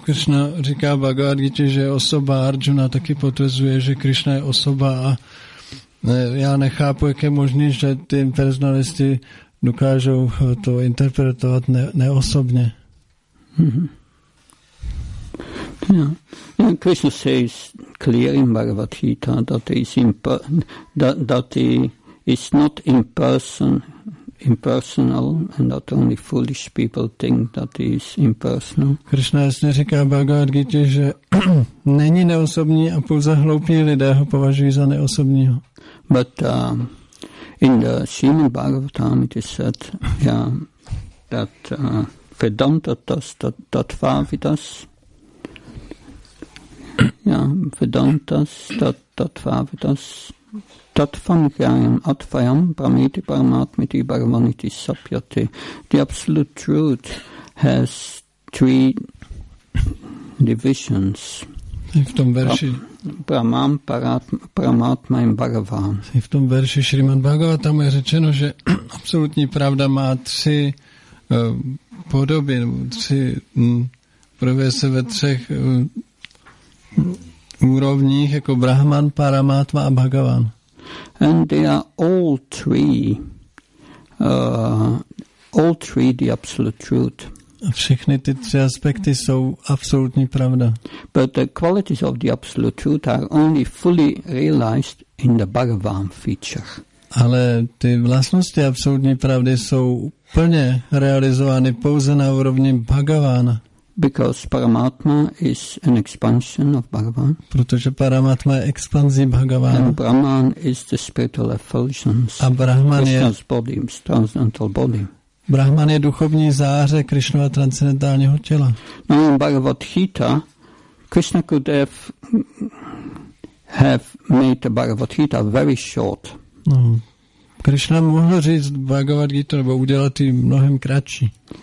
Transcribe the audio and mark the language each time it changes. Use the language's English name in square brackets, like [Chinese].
[Czech] Krishna říká Bhagavad Gita, že osoba Arjuna taky potvrzuje, že Krishna je osoba a já nechápu, jak je možný, že ty personalisti dokážou to interpretovat neosobně. Mm-hmm. [English] Yeah. Krishna says clear in Bhagavad Gita that he is not impersonal, and not only foolish people think that he is impersonal. [Czech] Krishna jasně říká Bhagavad Gita, že není neosobní a pouze hloupí lidé ho považují za neosobního. [English] But in the Srimad Bhagavatam it is said, yeah, that [Sanskrit] Vedanta Tattva Vidas, yeah, Vedanta Tattva Vidas, Tatvam Jayam Advayam Pramiti Paramatmiti Bhagavaniti Sapyati. [English] The absolute truth has three divisions. [Czech] V tom verši. [Sanskrit] Pramam Paramatma in Bhagavan. [Czech] V tom verši Srimad Bhagavatam je řečeno, že absolutní pravda má tři podoby, tři projevuje se ve třech úrovních, jako Brahman, Paramatma a Bhagavan. [English] And they are all three the absolute truth. [Czech] Všechny ty tři aspekty jsou absolutní pravda. [English] But the qualities of the absolute truth are only fully realized in the Bhagavan feature. [Czech] Ale ty vlastnosti absolutní pravdy jsou plně realizovány pouze na úrovni Bhagavana. [English] Because Paramatma is an expansion of Bhagavan. [Czech] Protože Paramatma je expanzí Bhagavana. [English] And Brahman is the spiritual effulgence. [Czech] A Brahman je [English] Krishna's body, transcendental body. [Czech] Brahman je duchovní záře Krishnova transcendentálního těla. [English] No, in Bhagavad Gita, Krishna could have made the Bhagavad Gita very short. [Czech] No, Krishna mohl říct Bhagavad Gita nebo udělat ji mnohem kratší.